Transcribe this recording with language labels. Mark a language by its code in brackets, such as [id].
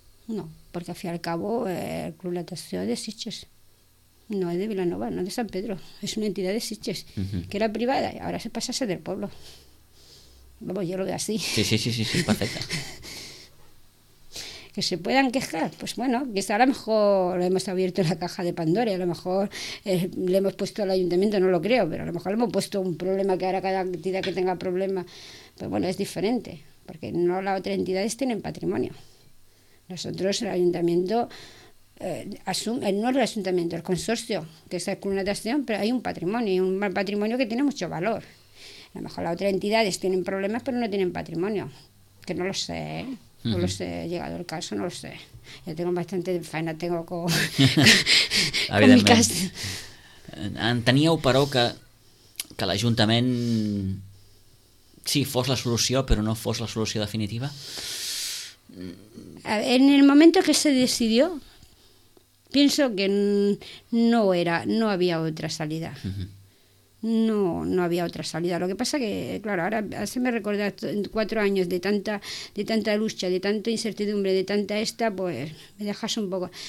[ca] No, perquè al fi i al cabo el Club Natació de Sitges. [es] No es de Vilanova, no es de San Pedro, es una entidad de Sitges, que era privada y ahora se pasa a ser del pueblo. Vamos, yo lo veo así. Sí, perfecto. Que se puedan quejar, pues bueno, que a lo mejor hemos abierto la caja de Pandora, a lo mejor le hemos puesto al ayuntamiento, no lo creo, pero a lo mejor le hemos puesto un problema que ahora cada entidad que tenga problema, pues bueno, es diferente, porque no las otras entidades tienen patrimonio. Nosotros, el ayuntamiento... no el ayuntamiento, el consorcio, que es el Club Natación, pero hay un patrimonio, y un patrimonio que tiene mucho valor. A lo mejor las otras entidades tienen problemas, pero no tienen patrimonio. Que no lo sé, no lo sé, llegado el caso, no lo sé. Ya tengo bastante faena, tengo con mi casa. [ca] Enteníeu, però, que l'Ajuntament, sí, fos la solució, però no fos la solució definitiva? [es] En el momento que se decidió, pienso que no había otra salida. No había otra salida. Lo que pasa que, claro, ahora se me recuerda 4 años de tanta lucha, de tanta incertidumbre, de tanta esta, pues me dejas un poco.